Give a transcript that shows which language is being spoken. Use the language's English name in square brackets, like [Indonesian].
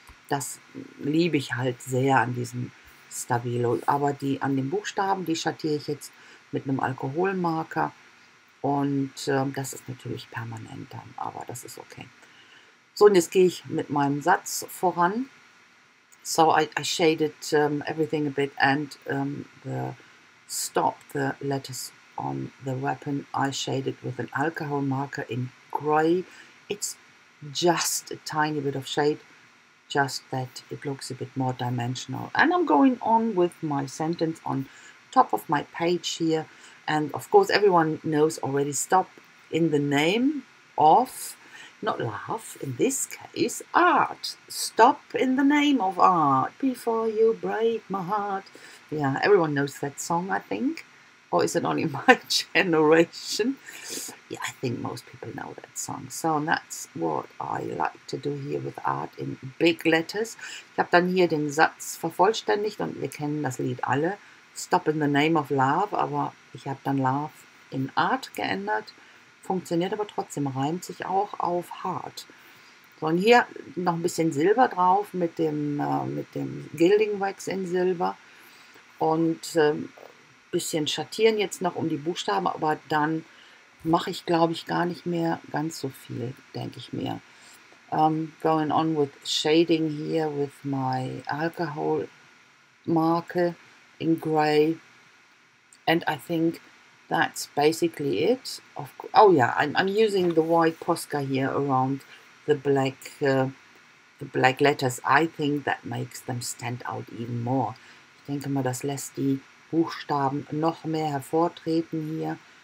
[German] Das liebe ich halt sehr an diesem Stabilo. Aber an den Buchstaben, die schattiere ich jetzt mit einem Alkoholmarker Und das ist natürlich permanent dann, aber das ist okay. So, und jetzt gehe ich mit meinem Satz voran. [English] So, I shaded everything a bit and the stop, the letters on the weapon, I shaded with an alcohol marker in gray. It's just a tiny bit of shade, just that it looks a bit more dimensional. And I'm going on with my sentence on top of my page here. And of course, everyone knows already, stop in the name of, not love, in this case, art. Stop in the name of art before you break my heart. Yeah, everyone knows that song, I think. Or is it only my generation? Yeah, I think most people know that song. So that's what I like to do here with art in big letters. [German] Ich habe dann hier den Satz vervollständigt und wir kennen das Lied alle. [English] Stop in the name of love, [German] aber ich habe dann love in art geändert. Funktioniert aber trotzdem, reimt sich auch auf heart. So, und hier noch ein bisschen Silber drauf mit dem Gilding Wax in Silber. Und ein bisschen schattieren jetzt noch um die Buchstaben, aber dann mache ich, glaube ich, gar nicht mehr ganz so viel, denke ich mir. [English] Going on with shading here with my alcohol marker in gray. And I think that's basically it. Of I'm using the white Posca here around the black letters. I think that makes them stand out even more. [German] Ich denke mal, das lässt die Buchstaben noch mehr hervortreten hier.